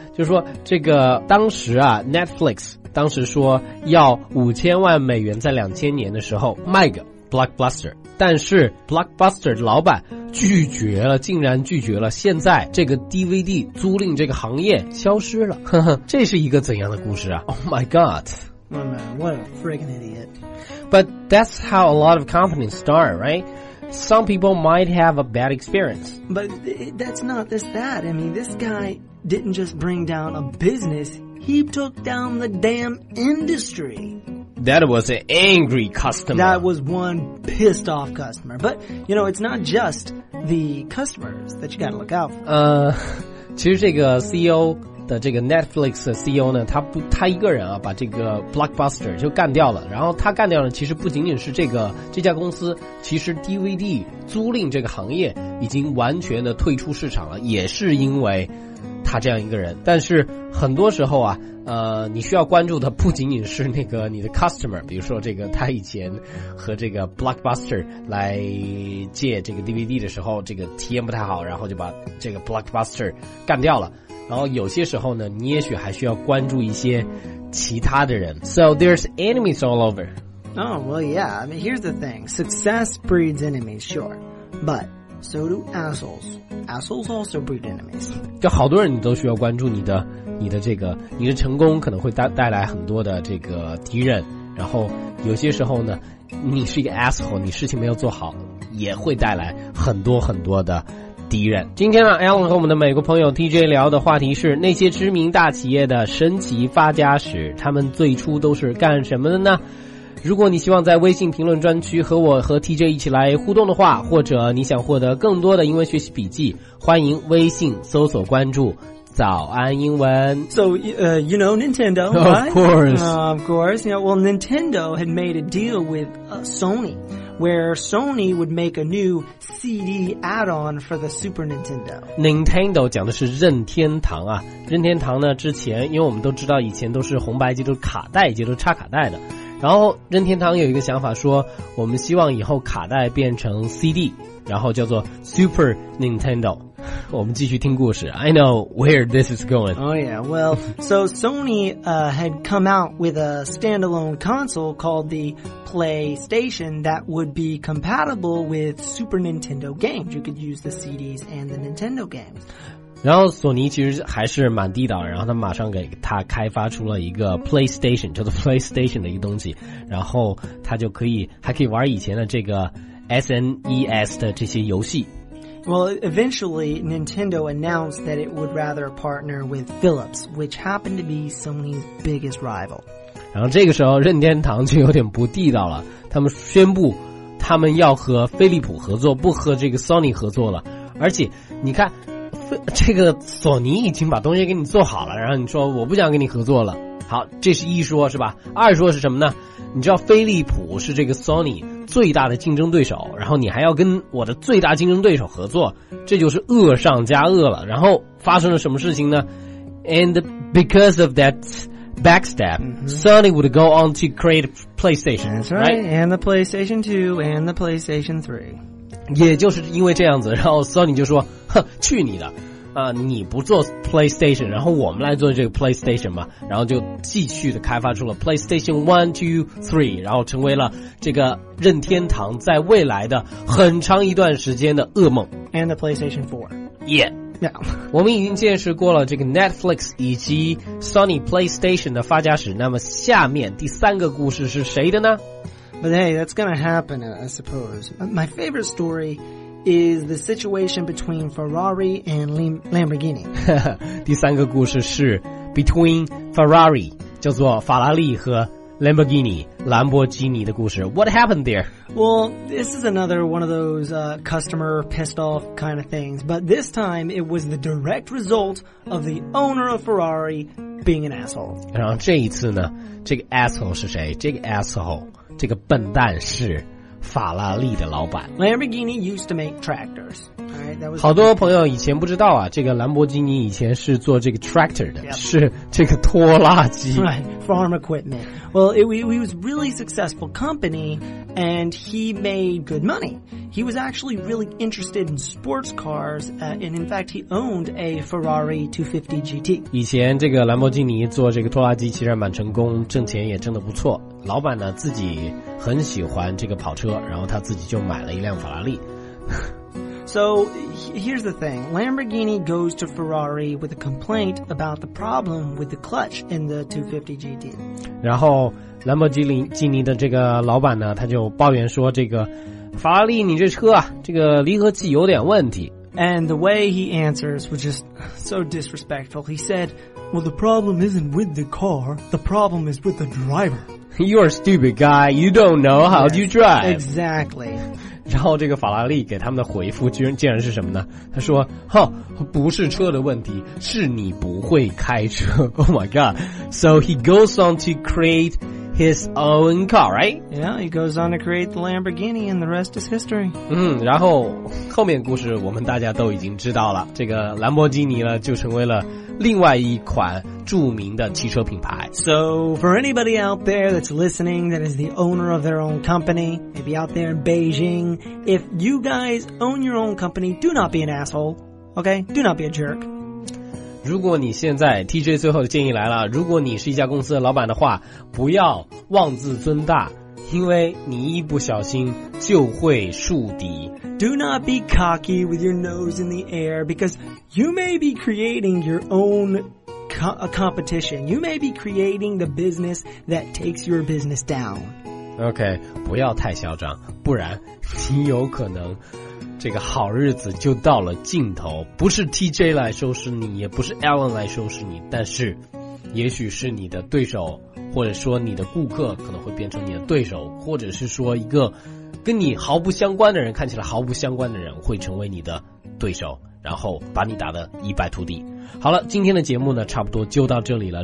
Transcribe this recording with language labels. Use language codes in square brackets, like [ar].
[zh] 就是说这个当时啊， Netflix 当时说要$5,000,000在2000年的时候卖个 Blockbuster， 但是 Blockbuster 的老板拒绝了，竟然拒绝了。现在这个 DVD 租赁这个行业消失了，呵呵，这是一个怎样的故事啊？ [en] Oh my god, my man, what a freaking idiot. But that's how a lot of companies start, rightSome people might have a bad experience. But that's not this bad. I mean, this guy didn't just bring down a business. He took down the damn industry. That was an angry customer. That was one pissed off customer. But, you know, it's not just the customers that you gotta look out for. [zh] 其实这个 CEO 的这个 Netflix 的 CEO 呢，他一个人啊，把这个 Blockbuster 就干掉了。然后他干掉了，其实不仅仅是这家公司，其实 DVD 租赁这个行业已经完全的退出市场了，也是因为他这样一个人。但是很多时候啊，你需要关注的不仅仅是那个你的 customer， 比如说这个他以前和这个 Blockbuster 来借这个 DVD 的时候，这个体验不太好，然后就把这个 Blockbuster 干掉了。然后有些时候呢，你也许还需要关注一些其他的人。 [en] So there's enemies all over. Oh, well, yeah. I mean, here's the thing. Success breeds enemies, sure. But so do assholes. Assholes also breed enemies. [zh] 就好多人你都需要关注你的这个，你的成功可能会带来很多的这个敌人。然后有些时候呢，你是一个 asshole， 你事情没有做好，也会带来很多很多的敌人。今天呢， Alan 和我们的美国朋友 TJ 聊的话题是那些知名大企业的神奇发家史，他们最初都是干什么的呢？如果你希望在微信评论专区和我和 TJ 一起来互动的话，或者你想获得更多的英文学习笔记，欢迎微信搜索关注早安英文。 [en] So, you know Nintendo, right? Of course. Of course. You know, well, Nintendo had made a deal with Sony, where Sony would make a new CD add-on for the Super Nintendo. [zh] Nintendo 讲的是任天堂啊。任天堂呢，之前因为我们都知道以前都是红白机，都是卡带机，都是插卡带的。然后任天堂有一个想法说，我们希望以后卡带变成 CD， 然后叫做 Super Nintendo。我们继续听故事。 [en] I know where this is going. Oh yeah, well, so Sony had come out with a standalone console called the PlayStation that would be compatible with Super Nintendo games. You could use the CDs and the Nintendo games. [zh] 然后索尼其实还是蛮地道的，然后他马上给他开发出了一个 PlayStation， 叫做 PlayStation 的一个东西，然后他就可以还可以玩以前的这个 SNES 的这些游戏。 [en] Well, eventually, Nintendo announced that it would rather partner with Philips, which happened to be Sony's biggest rival. [zh] 然后这个时候任天堂就有点不地道了，他们宣布他们要和飞利浦合作，不和这个 Sony 合作了。而且你看这个索尼已经把东西给你做好了，然后你说我不想跟你合作了。好，这是一说是吧？二说是什么呢？你知道飞利浦是这个 Sony 最大的竞争对手，然后你还要跟我的最大竞争对手合作，这就是恶上加恶了。然后发生了什么事情呢？ [en] And because of that backstab,、Sony would go on to create PlayStation. That's right, and the PlayStation 2 and the PlayStation 3. [zh] 也就是因为这样子，然后 Sony 就说哼，去你的啊、你不做 PlayStation， 然后我们来做这个 PlayStation 嘛，然后就继续的开发出了 PlayStation 1, 2, 3， 然后成为了这个任天堂在未来的很长一段时间的噩梦。 [en] And the PlayStation 4 Yeah Yeah. [zh] 我们已经见识过了这个 Netflix 以及 Sony PlayStation 的发家史，那么下面第三个故事是谁的呢？ [en] But hey, that's going to happen, I suppose. My favorite story is the situation between Ferrari and Lamborghini. [zh] 第三个故事是 [en] between [zh] Ferrari, 叫做法拉利和 Lamborghini, 兰博基尼的故事。 [en] What happened there? Well, this is another one of those, customer pissed off kind of things, but this time it was the direct result of the owner of Ferrari being an asshole. [zh] 然后这一次呢，这个 asshole 是谁？这个 asshole... 这个笨蛋是法拉利的老板。 [en] Lamborghini used to make tractors. All right, that was [zh] 好多朋友以前不知道啊，这个兰博基尼以前是做这个 tractor 的、 [en] yep. [zh] 是这个拖拉机。 [en] Right, farm equipment. Well, he was a really successful company and he made good money. He was actually really interested in sports cars, and in fact, he owned a Ferrari 250 GT. [zh] 以前这个兰博基尼做这个拖拉机其实蛮成功，挣钱也挣得不错。老板呢自己很喜欢这个跑车，然后他自己就买了一辆法拉利。 [en] So, here's the thing. Lamborghini goes to Ferrari with a complaint about the problem with the clutch in the 250 GT. [zh] 然后兰博基尼的这个老板呢，他就抱怨说这个法拉利你这车啊，这个离合器有点问题。 [en] And the way he answers was just so disrespectful. He said, well, the problem isn't with the car, the problem is with the driver. You're a stupid guy. You don't know how yes, to drive. Exactly. [zh] 然后这个法拉利给他们的回复竟然是什么呢？他说：“哼，不是车的问题，是你不会开车。” [en] Oh my god. So he goes on to create his own car, right? Yeah, he goes on to create the Lamborghini and the rest is history. [zh] 然后后面故事我们大家都已经知道了，这个兰博基尼呢就成为了另外一款著名的汽车品牌。 [en] So, for anybody out there that's listening, that is the owner of their own company, maybe out there in Beijing, if you guys own your own company, do not be an asshole, okay? Do not be a jerk. [zh] 如果你现在 TJ 最后的建议来了，如果你是一家公司的老板的话，不要妄自尊大，因为你一不小心就会树敌。 [en] Do not be cocky with your nose in the air, because you may be creating your own competition. You may be creating the business that takes your business down. [zh] Okay, 不要太嚣张，不然你有可能这个好日子就到了尽头。不是 TJ 来收拾你，也不是 Alan 来收拾你，但是也许是你的对手，或者说你的顾客可能会变成你的对手，或者是说一个跟你毫不相关的人，看起来毫不相关的人会成为你的对手，然后把你打得一败涂地。好了，今天的节目呢，差不多就到这里了。